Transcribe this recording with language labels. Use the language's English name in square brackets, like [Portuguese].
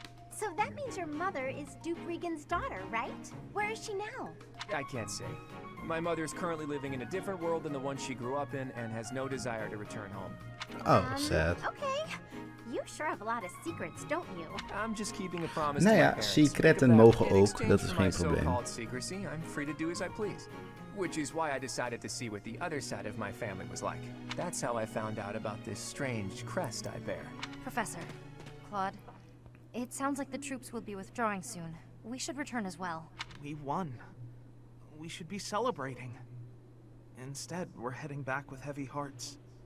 [English] So that means your mother is Duke Regan's daughter, right? Where is she now? I can't say. My mother is currently living in a different world than the one she grew up in and has no desire to return home. Oh, sad. Okay. You sure have a lot of secrets, don't you? I'm just keeping a promise nou to ja, my parents. [Dutch] Secreten mogen ook, dat is geen probleem. [English] So-called secrecy, I'm free to do as I please. Which is why I decided to see what the other side of my family was like. That's how I found out about this strange crest I bear. Professor, Claude, it sounds like the troops will be withdrawing soon. We should return as well. We won. We should be celebrating. Instead, we're heading back with heavy hearts.